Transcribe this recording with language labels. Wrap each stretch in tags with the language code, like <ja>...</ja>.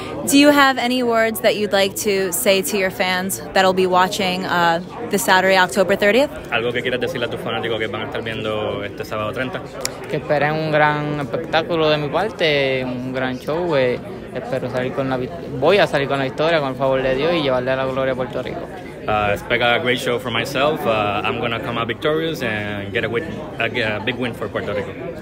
<en>Do you have any words that you'd like to say to your fans that'll be watching this Saturday, October 30th?</en> <es>Algo que quieras decirle a tus fanáticos que van a estar viendo este sábado 30. Que esperen un gran espectáculo de mi parte, un gran show. Espero salir con la voy a salir con la victoria con el favor de Dios y llevarle a la gloria a Puerto Rico.</es> <en>Expect a great show for myself. I'm going to come out victorious and get a big win for Puerto Rico.</en>